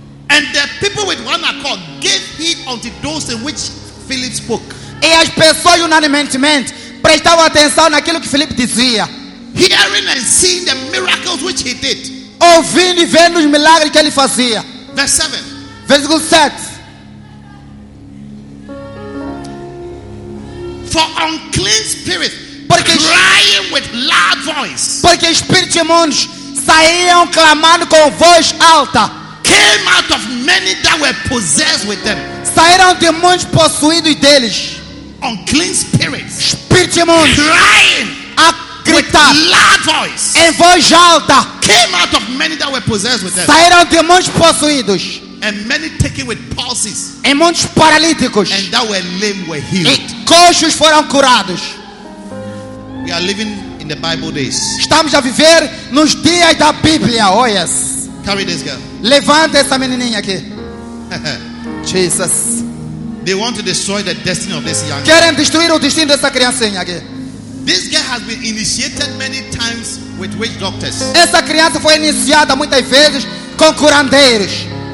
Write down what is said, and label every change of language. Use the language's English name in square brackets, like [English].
[English] And the people with one accord gave heed unto those in which Philip spoke. [Portuguese] E as pessoas unanimemente prestavam atenção naquilo que Philip dizia. [English] Hearing and seeing the miracles which he did. [Portuguese] Ouvindo e vendo os milagres que ele fazia. [English] Verse 7. [Portuguese] Versículo 7. [English] For unclean spirits. [Portuguese] Porque [English] crying with loud voice. [Portuguese] Porque espíritos imundos saíam clamando com voz alta. [English] Came out of many that were possessed with them. [Portuguese] Saíram de muitos possuídos deles. [English] Unclean spirits. [Portuguese] Espíritos imundos [English] crying. [Portuguese] A gritar. [English] With loud voice. [Portuguese] Em voz alta. [English] Came out of many that were possessed with them. [Portuguese] Saíram de muitos possuídos. [English] And many taken with palsies. [Portuguese] E muitos paralíticos. [English] And that were lame were healed. [Portuguese] E coxos foram curados. [English] We are living in the Bible days. [Portuguese] Estamos a viver nos dias da Bíblia. [English] Oh yes. Carry this girl. [Portuguese] Levanta essa menininha aqui. Jesus. [English] They want to destroy the destiny of this young. [Portuguese] Querem destruir o destino dessa criancinha aqui. [English] This girl has been initiated many times with witch doctors. [Portuguese] Essa criança foi iniciada muitas vezes com curandeiros.